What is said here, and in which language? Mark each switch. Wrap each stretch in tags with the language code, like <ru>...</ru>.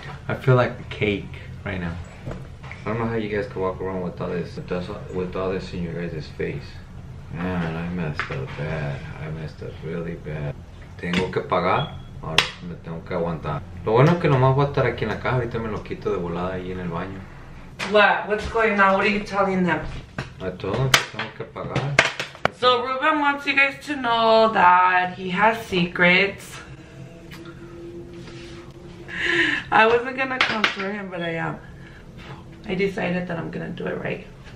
<en>I feel like cake right now. I don't know how you guys can walk around with all this in your guys' face. Man, I messed up bad. I messed up really bad.</en> <es>Tengo que pagar, ahora me tengo que aguantar. Lo bueno es que nomás voy a estar aquí en la casa, ahorita me lo quito de volada ahí en el baño.</es> <en>What's going on? What are you telling them? I told them</en> <es>que tengo que pagar.</es> <en>So Ruben wants you guys to know that he has secrets. I wasn't gonna contour him, but I am. I decided that I'm gonna do it right.</en>